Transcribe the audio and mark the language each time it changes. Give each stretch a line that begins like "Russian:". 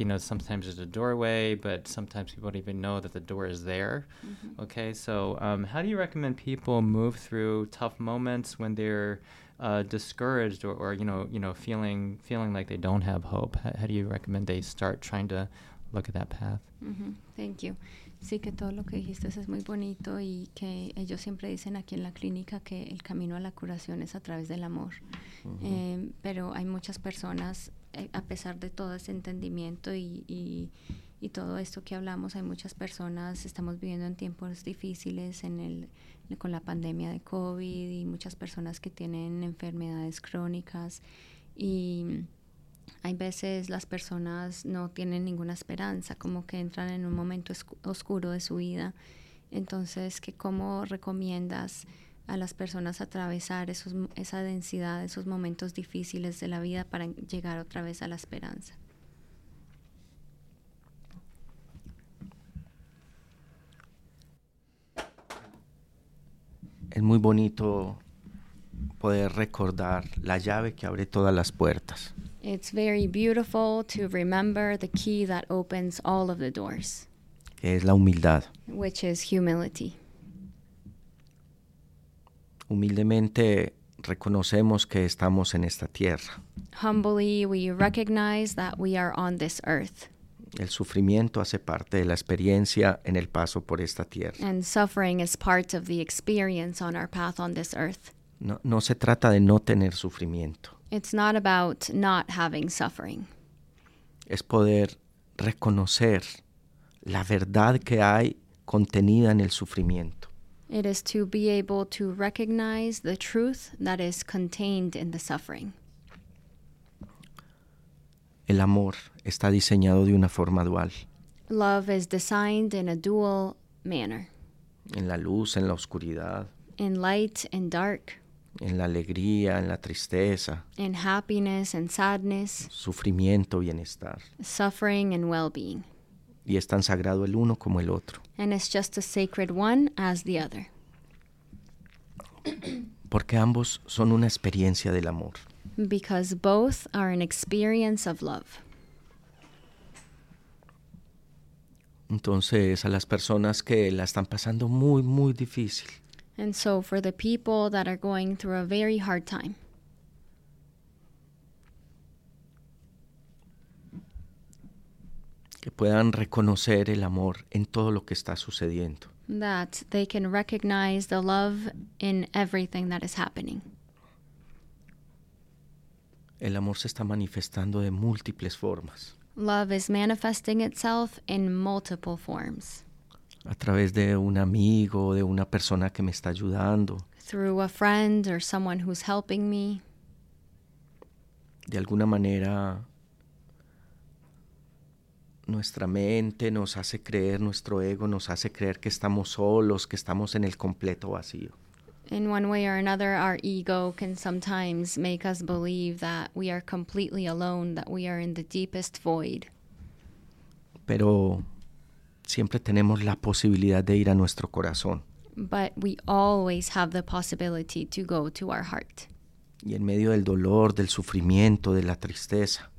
English: You know, sometimes there's a doorway, but sometimes people don't even know that the door is there. Mm-hmm. Okay, so how do you recommend people move through tough moments when they're discouraged or you know, feeling like they don't have hope? How do you recommend they start trying to look at that path? Mm-hmm. Thank you.
Spanish: Sí, que todo lo que dijiste es muy bonito y que ellos siempre dicen aquí en la clínica que el camino a la curación es a través del amor. Mm-hmm. Pero hay muchas personas a pesar de todo ese entendimiento y todo esto que hablamos, hay muchas personas, estamos viviendo en tiempos difíciles con la pandemia de COVID y muchas personas que tienen enfermedades crónicas y hay veces las personas no tienen ninguna esperanza, como que entran en un momento oscuro de su vida. Entonces, ¿cómo recomiendas a las personas atravesar esa densidad, esos momentos difíciles de la vida para llegar otra vez a la esperanza? Es muy bonito poder recordar la llave que abre todas las puertas.
English: It's very beautiful to remember the key that opens all of the doors.
Spanish: Que es la humildad.
English: Which is humility.
Spanish: Humildemente reconocemos que estamos en esta tierra.
English: Humbly we recognize that we are on this earth.
Spanish: El sufrimiento hace parte de la experiencia en el paso por esta tierra.
English: And suffering is part of the experience on our path on this earth.
Spanish: No se trata de no tener sufrimiento.
English: It's not about not having suffering.
Spanish: Es poder reconocer la verdad que hay contenida en el sufrimiento.
English: It is to be able to recognize the truth that is contained in the suffering.
Spanish: El amor está diseñado de una forma dual.
English: Love is designed in a dual manner.
Spanish: En la luz, en la oscuridad.
English: In light and dark.
Spanish: En la alegría, en la tristeza.
English: In happiness and sadness.
Spanish: Sufrimiento, bienestar.
English: Suffering and well-being.
Spanish: Y es tan sagrado el uno como el otro.
English: And it's just as sacred one as the other.
Spanish: Porque ambos son una experiencia del amor.
English: Because both are an experience of love.
Spanish: Entonces, a las personas que la están pasando muy, muy difícil.
English: And so for the people that are going through a very hard time.
Spanish: Que puedan reconocer el amor en todo lo que está sucediendo.
English: That they can recognize the love in everything that is happening.
Spanish: El amor se está manifestando de múltiples formas.
English: Love is manifesting itself in multiple forms.
Spanish: A través de un amigo, de una persona que me está ayudando.
English: Through a friend or someone who's helping me.
Spanish: De alguna manera, nuestra mente nos hace creer, nuestro ego nos hace creer que estamos solos, que estamos en el completo vacío.
English: In one way or another, our ego can sometimes make us believe that we are completely alone, that we are in the deepest void.
Spanish: Pero siempre tenemos la posibilidad de ir a nuestro corazón.
English: But we always have the possibility to go to our heart.
Spanish: Y en medio del dolor, del sufrimiento, de la tristeza.